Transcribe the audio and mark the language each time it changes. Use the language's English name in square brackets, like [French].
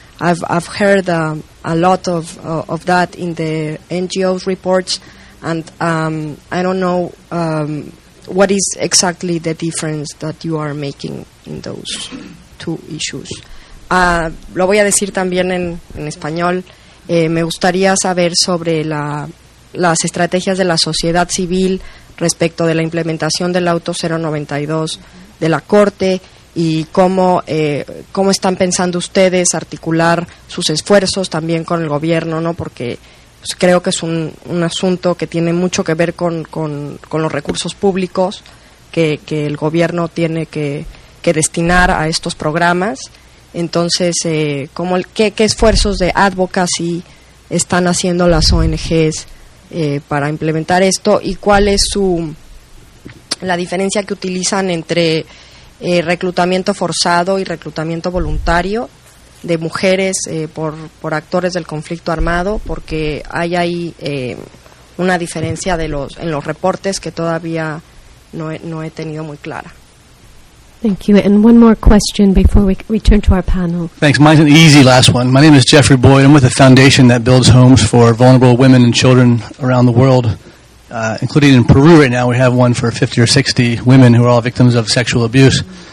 [English] I've heard a lot of that in the NGOs reports, and I don't know what is exactly the difference that you are making in those two issues. [Spanish] Lo voy a decir también en español. Me gustaría saber sobre las estrategias de la sociedad civil respecto de la implementación del auto 092 de la Corte y cómo están pensando ustedes articular sus esfuerzos también con el gobierno, ¿no? Porque pues, creo que es un asunto que tiene mucho que ver con los recursos públicos que el gobierno tiene que destinar a estos programas. Entonces, ¿qué esfuerzos de advocacy están haciendo las ONGs para implementar esto? ¿Y cuál es la diferencia que utilizan entre reclutamiento forzado y reclutamiento voluntario de mujeres por actores del conflicto armado? Porque hay ahí una diferencia en los reportes que todavía no he tenido muy clara. [English] Thank you. And one more question before we return to our panel. Thanks. Mine's an easy last one. My name is Jeffrey Boyd. I'm with a foundation that builds homes for vulnerable women and children around the world, including in Peru right now. We have one for 50 or 60 women who are all victims of sexual abuse.